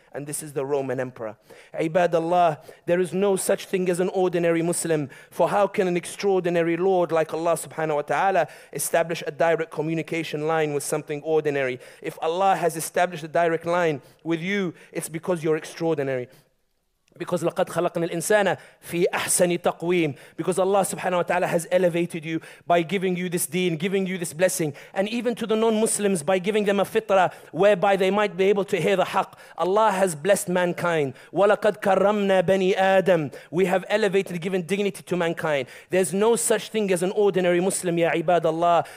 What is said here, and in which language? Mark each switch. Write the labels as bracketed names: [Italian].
[English] And this is the Roman Emperor. Ibadallah, there is no such thing as an ordinary Muslim. For how can an extraordinary Lord like Allah subhanahu wa ta'ala establish a direct communication line with something ordinary? If Allah has established a direct line with you, it's because you're extraordinary. Because [Arabic] لَقَدْ خَلَقْنَا الْإِنسَانَ فِي أَحْسَنِ تَقْوِيمٍ. [English] Because Allah subhanahu wa ta'ala has elevated you by giving you this deen, giving you this blessing. And even to the non-Muslims, by giving them a fitrah whereby they might be able to hear the haq. Allah has blessed mankind. [Arabic] وَلَقَدْ كَرَّمْنَا بَنِي آدَمَ. [English] We have elevated, given dignity to mankind. There's no such thing as an ordinary Muslim, ya ibadallah.